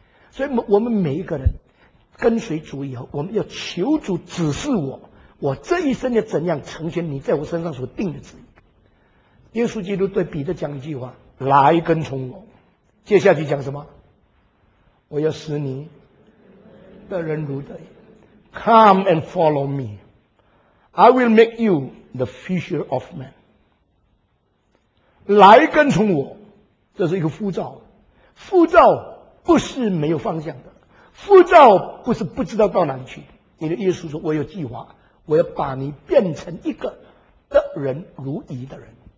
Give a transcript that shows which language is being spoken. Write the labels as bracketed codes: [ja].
[zh] 所以我们每一个人跟随主以后，我们要求主指示我这一生要怎样成全你在我身上所定的旨意。耶稣基督对彼得讲一句话，来跟从我，接下去讲什么？我要使你得人如得鱼。 [en] Come and follow me, I will make you the fisher of men. [zh] 来跟从我，这是一个呼召。呼召不是没有方向的，呼召不是不知道到哪里去。你的耶稣说，我有计划，我要把你变成一个得人如鱼的人。